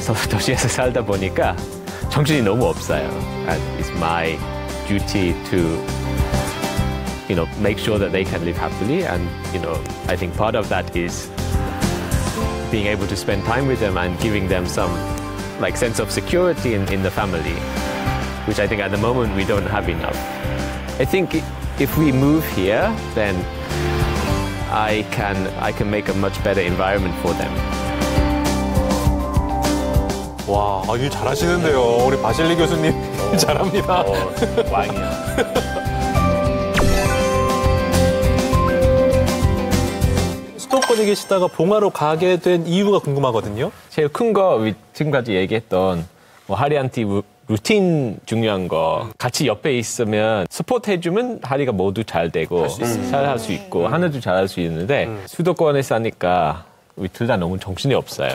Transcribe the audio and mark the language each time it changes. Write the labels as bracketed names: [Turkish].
[Korean] 도시에서 살다 보니까 정신이 너무 없어요. [English] It's my duty to, you know, make sure that they can live happily. And, you know, I think part of that is being able to spend time with them and giving them some, like, sense of security in the family, which I think at the moment we don't have enough. I think if we move here, then I can make a much better environment for them. [Korean] 와, 일 잘하시는데요. 우리 바실리 교수님 잘합니다. 왕이야. 수도권에 계시다가 봉화로 가게 된 이유가 궁금하거든요. 제일 큰 거, 지금까지 얘기했던 뭐 하리한테 루틴 중요한 거 같이 옆에 있으면 스포트 해주면 하리가 모두 잘 되고 잘 할 수 있고 하나도 잘 할 수 있는데 수도권에 사니까 우리 둘 다 너무 정신이 없어요.